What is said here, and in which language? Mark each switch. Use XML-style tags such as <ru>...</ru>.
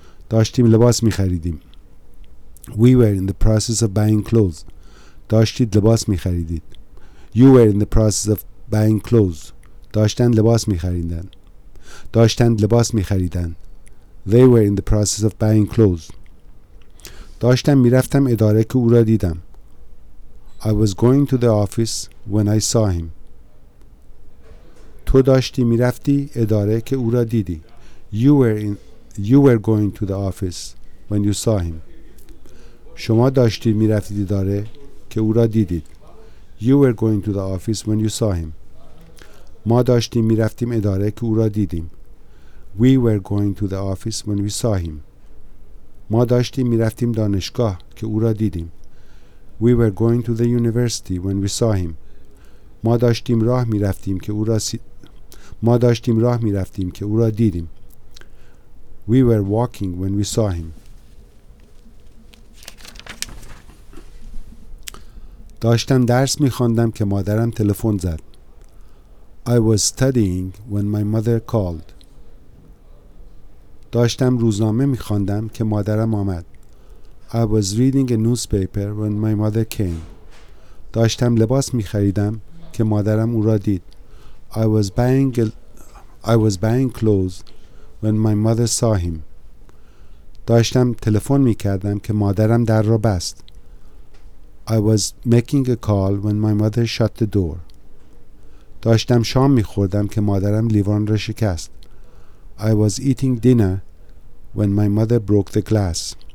<fa>داشتیم لباس می‌خریدیم.</fa> <en>We were in the process of buying clothes.</en> <fa>داشتید لباس می‌خریدید.</fa> <en>You were in the process of buying clothes.</en> <fa>داشتند لباس می‌خریدند. داشتند لباس می‌خریدند.</fa> <en>They were in the process of buying clothes.</en> <fa>داشتم میرفتم اداره که او را دیدم.</fa> <en>I was going to the office when I saw him.</en> <fa>تو داشتی میرفتی اداره که او را دیدی.</fa> <en>You were going to the office when you saw him.</en> <fa>شما داشتی میرفتید اداره که او را دیدید.</fa> <en>You were going to the office when you saw him.</en> <fa>ما داشتیم میرفتیم اداره که او را دیدیم.</fa> <en>We were going to the office when we saw him.</en> <fa>ما داشتیم میرفتیم دانشگاه که او را دیدیم.</fa> <en>We were going to the university when we saw him.</en> <fa>ما داشتیم راه میرفتیم که او را ما داشتیم راه میرفتیم که او را دیدیم.</fa> <en>We were walking when we saw him.</en> <fa>داشتم درس میخواندم که مادرم تلفن زد.</fa> <en>I was studying when my mother called.</en> <fa>داشتم روزنامه می‌خواندم که مادرم آمد.</fa> <en>I was reading a newspaper when my mother came.</en> <fa>داشتم لباس می‌خریدم که مادرم او را دید.</fa> <en>I was buying clothes when my mother saw him.</en> <fa>داشتم تلفن می‌کردم که مادرم در را بست.</fa> <en>I was making a call when my mother shut the door.</en> <fa>داشتم شام می‌خوردم که مادرم لیوان را شکست.</fa> <en>I was eating dinner when my mother broke the glass.</en>